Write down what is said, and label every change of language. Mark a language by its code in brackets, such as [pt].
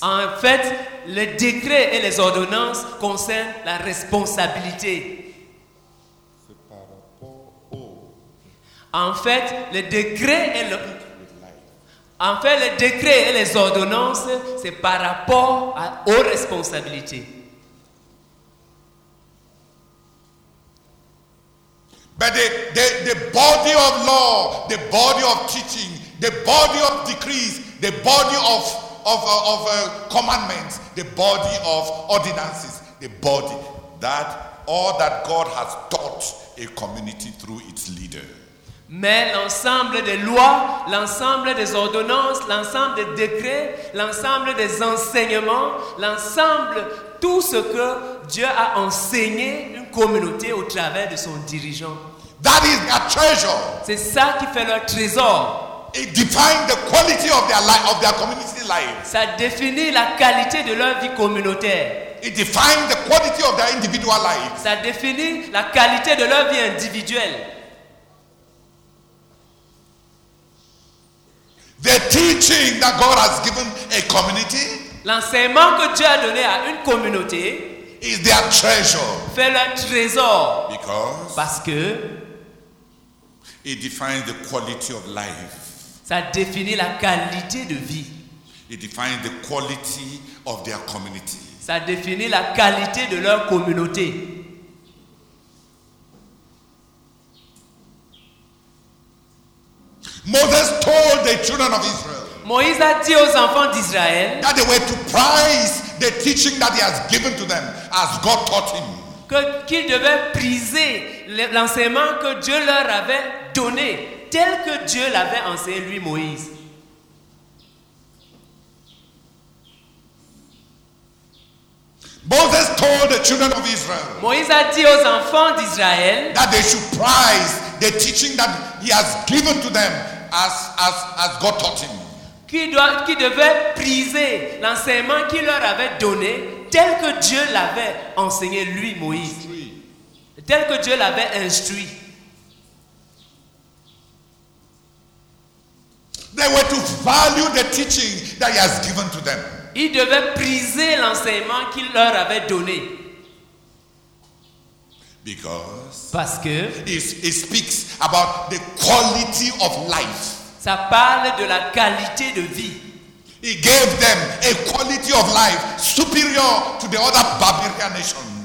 [fr] En fait, les décrets et les ordonnances concernent la responsabilité. C'est par rapport au... En fait, les décrets et le... En fait, les décrets et les ordonnances, c'est par rapport aux responsabilités. [en] But the body of law, the body of teaching, The body of decrees, the body of commandments, the body of ordinances, the body that all that God has taught a community through its leader. [fr] Mais l'ensemble des lois, l'ensemble des ordonnances, l'ensemble des décrets, l'ensemble des enseignements, l'ensemble, tout ce que Dieu a enseigné une communauté au travers de son dirigeant. [en] That is their treasure. [fr] C'est ça qui fait leur trésor. [en] It defines the quality of their life, of their community life. [fr] Ça définit la qualité de leur vie communautaire. [en] It defines the quality of their individual life. [fr] Ça définit la qualité de leur vie individuelle. [en] The teaching that God has given a community, [fr] l'enseignement que Dieu a donné à une communauté, [en] is their treasure. [fr] Fait leur trésor. [en] Because, [fr] parce que, [en] it defines the quality of life. [fr] Ça définit la qualité de vie. [en] It defines the quality of their community. [fr] Ça définit la qualité de leur communauté. [en] Moses told the children of Israel. [fr] Moïse a dit aux enfants d'Israël [en] that they were to prize the teaching that he has given to them as God taught him. [fr] Qu'ils devaient priser l'enseignement que Dieu leur avait donné, tel que Dieu l'avait enseigné lui, Moïse. [en] Moses told the children of Israel. [fr] Moïse a dit aux enfants d'Israël [en] that they should prize the teaching that he has given to them as God taught him. [fr] Qui devait priser l'enseignement qu'il leur avait donné tel que Dieu l'avait enseigné lui, Moïse. Tel que Dieu l'avait instruit. [en] They were to value the teaching that he has given to them. [fr] Ils devaient priser l'enseignement qu'il leur avait donné. [en] Because [fr] parce que [en] it speaks about the quality of life. [fr] Ça parle de la qualité de vie. [en] He gave them a quality of life superior to the other barbarian nations.